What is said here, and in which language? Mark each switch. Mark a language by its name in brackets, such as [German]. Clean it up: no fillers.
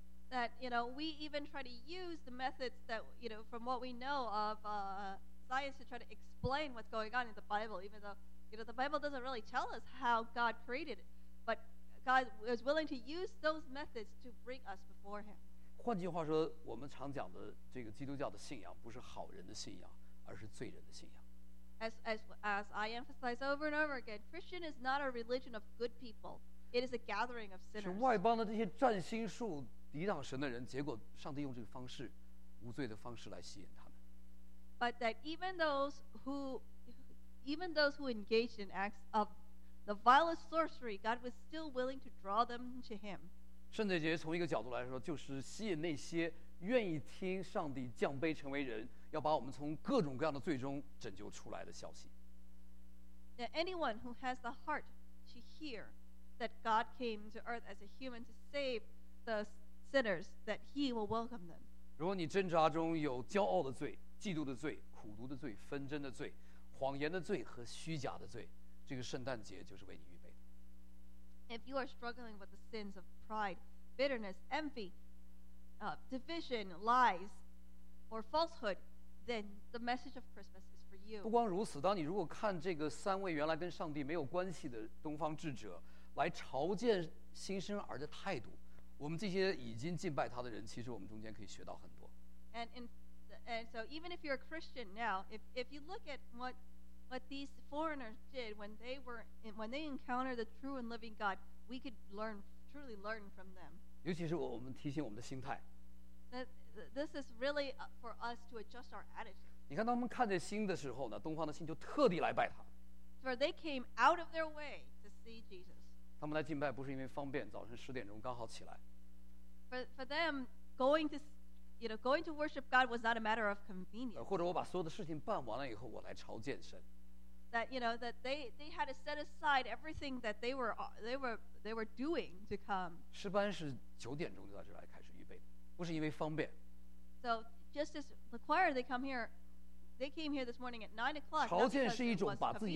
[English] That you know we even try to use the methods that you know from what we know of science to try to explain what's going on in the Bible, even though you know the Bible doesn't really tell us how God created it, but God is willing to use those methods to bring us before him. [Chinese] 换句话说，我们常讲的这个基督教的信仰，不是好人的信仰，而是罪人的信仰。 [English] As I emphasize over and over again, Christian is not a religion of good people. It is a gathering of sinners. [Chinese] 是外邦的这些占星术抵挡神的人, 结果上帝用这个方式, 无罪的方式来吸引他们。 [English] But that even those who engaged in acts of the vilest sorcery, God was still willing to draw them to him. [Chinese] 圣洁节从一个角度来说, 就是吸引那些愿意听上帝降卑成为人, 要把我们从各种各样的罪中拯救出来的消息。 [English] Now anyone who has the heart to hear that God came to earth as a human to save the sinners, that he will welcome them. [Chinese] 如果你挣扎中有骄傲的罪, 嫉妒的罪, 苦毒的罪, 纷争的罪, 谎言的罪 和虚假的罪, 这个圣诞节就是为你预备的。 [English] If you are struggling with the sins of pride, bitterness, envy, division, lies, or falsehood, then the message of Christmas is for you. [Chinese] 不光如此, 当你如果看这个三位原来跟上帝没有关系的东方智者, 来朝见新生儿的态度, 我们这些已经敬拜他的人, 其实我们中间可以学到很多。 [English] And so even if you're a Christian now, if you look at what these foreigners did when they encountered the true and living God, we could truly learn from them. [Chinese] 尤其是我们提醒我们的心态。 [English] This is really for us to adjust our attitude. [Chinese] 你看当他们看见星的时候呢, 东方的星就特地来拜他。 [English] For they came out of their way to see Jesus. [Chinese] 他们来敬拜不是因为方便, 早晨10点钟刚好起来。 [English] For them, going to worship God was not a matter of convenience. [Chinese] 或者我把所有的事情办完了以后，我来朝见神。 [English] That you know that they had to set aside everything that they were doing to come. [Chinese] 诗班是9点钟就到这来开始预备，不是因为方便。 [English] So just as the choir, they came here this morning at 9 o'clock.